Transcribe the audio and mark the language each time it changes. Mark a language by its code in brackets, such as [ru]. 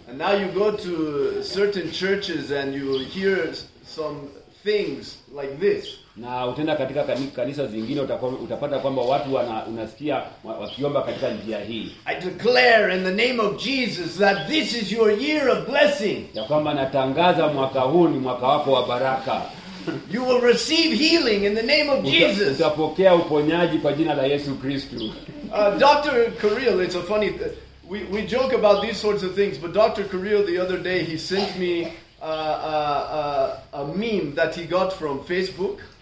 [en] And now you go to certain churches and you hear some things like this. [sw] Na utenda katika kanisa zingine utapata kwamba watu unasikia wakiomba katika njia hii. [en] I declare in the name of Jesus that this is your year of blessing. [sw] Ya kwamba natangaza mwaka huu ni mwaka wako wa baraka. [en] You will receive healing in the name of Jesus. [sw] Utapokea uponyaji kwa jina la Yesu Kristo. [en] Dr. Kirill, it's a funny thing. We joke about these sorts of things, but Dr. Kirill the other day, he sent me a meme that he got from Facebook.